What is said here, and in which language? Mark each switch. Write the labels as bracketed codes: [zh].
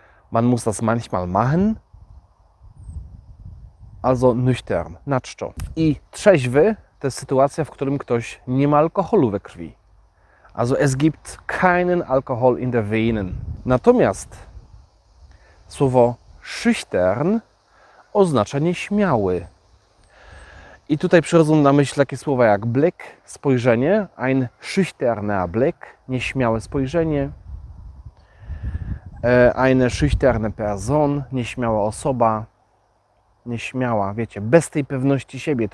[de] Man muss das manchmal machen. Also nüchtern. Naczczo. [pl] I trzeźwy to jest sytuacja, w którym ktoś nie ma alkoholu we krwi. [de] Also es gibt keinen Alkohol in der Venen. [pl] Natomiast słowo schüchtern oznacza nieśmiały. I tutaj przychodzą na myśl takie słowa jak Blick, spojrzenie, [de] ein schüchterner Blick, [pl] nieśmiałe spojrzenie, [de] eine schüchterne Person, [pl] nieśmiała osoba, nieśmiała, wiecie, bez tej pewności siebie.